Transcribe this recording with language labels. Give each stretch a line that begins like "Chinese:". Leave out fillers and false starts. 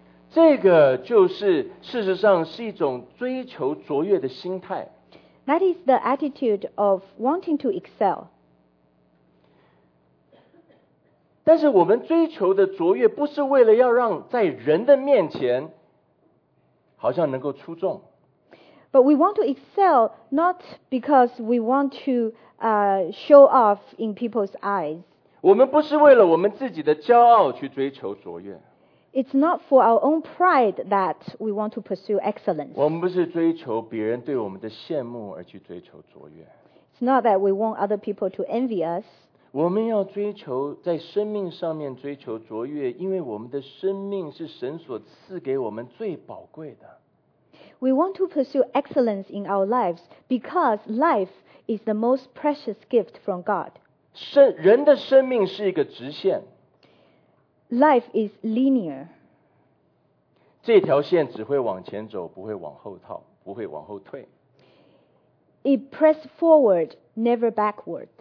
Chinese: 这个就是事实上是一种追求卓越的心态。
English: That is the attitude of wanting to excel.
Chinese: 但是我们追求的卓越不是为了要让在人的面前好像能够出众。
English: But we want to excel not because we want to show off in people's eyes.
Chinese: 我们不是为了我们自己的骄傲去追求卓越。
English: It's not for our own pride that we want to pursue excellence.
Chinese: 我们不是追求别人对我们的羡慕而去追求卓越。
English: It's not that we want other people to envy us.
Chinese: 我们要追求在生命上面追求卓越，因为我们的生命是神所赐给我们最宝贵的。
English: We want to pursue excellence in our lives because life is the most precious gift from God.
Chinese: 人的生命是一个直线。
English: Life is linear.
Chinese: 这条线只会往前走，不会往后套，不会往后退。
English: It presses forward, never backward.